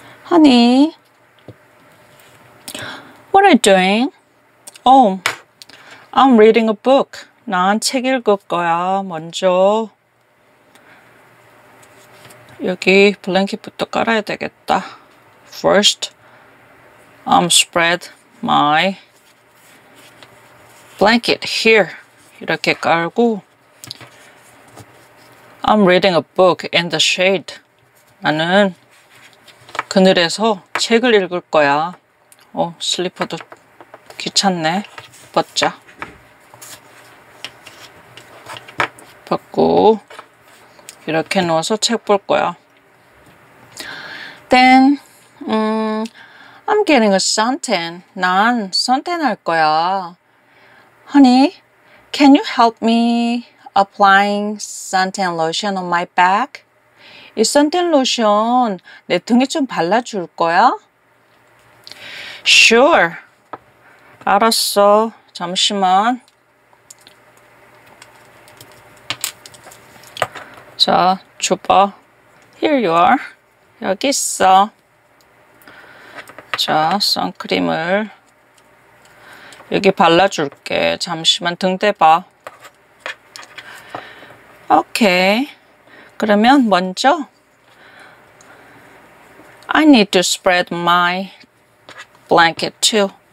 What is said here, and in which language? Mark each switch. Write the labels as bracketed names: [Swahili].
[English] Honey, what are you doing? I'm reading a book. [Korean] 난 책 읽을 거야. 먼저 여기 블랭킷부터 깔아야 되겠다. [English] First, I'm spread my blanket here. [Korean] 이렇게 깔고. [English] I'm reading a book in the shade. [Korean] 나는 그늘에서 책을 읽을 거야. 슬리퍼도 귀찮네. 벗자. 벗고 이렇게 누워서 책 볼 거야. [English] Then, I'm getting a suntan. [Korean] 난 선탠 할 거야. [English] Honey, can you help me applying suntan lotion on my back? [Korean] 이 suntan lotion 내 등에 좀 발라줄 거야? Sure. 알았어. 잠시만. 자, 줘봐. [English] Here you are. [Korean] 여기 있어. 자, 선크림을 여기 발라줄게. 잠시만 등 대봐. 오케이. 그러면 먼저 [English] I need to spread my blanket too.